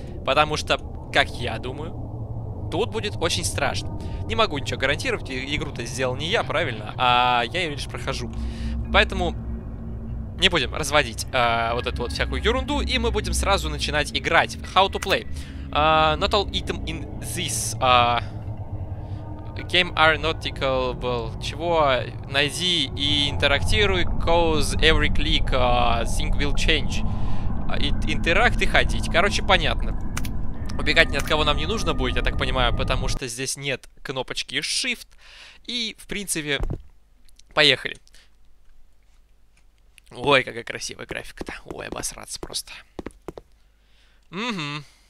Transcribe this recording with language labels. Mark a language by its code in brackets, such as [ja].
[ru] Потому что, как я думаю, тут будет очень страшно. Не могу ничего гарантировать, игру-то сделал не я, правильно, а я ее лишь прохожу. Поэтому не будем разводить вот эту вот всякую ерунду, и мы будем сразу начинать играть. [en] How to play. Not all items in this game are noticeable. [ru] Чего? Найди и интерактируй, [en] cause every click thing will change. [ru] Интеракт и ходить. Короче, понятно. Убегать ни от кого нам не нужно будет, я так понимаю, потому что здесь нет кнопочки Shift. И, в принципе, поехали. Ой, какая красивая графика-то. Ой, обосраться просто. Угу.